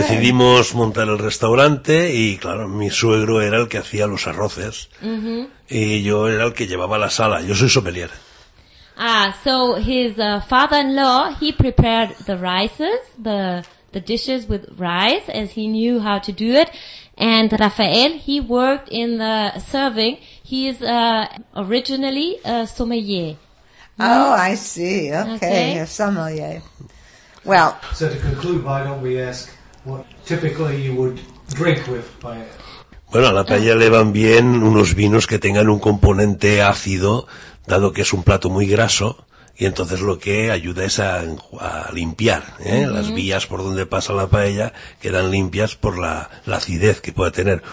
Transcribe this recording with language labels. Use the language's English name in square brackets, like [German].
[Spanish] Decidimos montar el restaurante y, claro, mi suegro era el que hacía los arroces. Mm-hmm. Y yo era el que llevaba la sala. Yo soy sommelier. [English] So his father-in-law, he prepared the rices, the dishes with rice, as he knew how to do it. And Rafael, he worked in the serving. He is originally a sommelier. Oh, I see. Okay. A sommelier. Well. So to conclude, why don't we ask what typically you would drink with paella? [Spanish] Bueno, a la paella le van bien unos vinos que tengan un componente ácido, dado que es un plato muy graso, y entonces lo que ayuda es a limpiar, ¿eh? Mm-hmm. Las vías por donde pasa la paella quedan limpias por la acidez que pueda tener.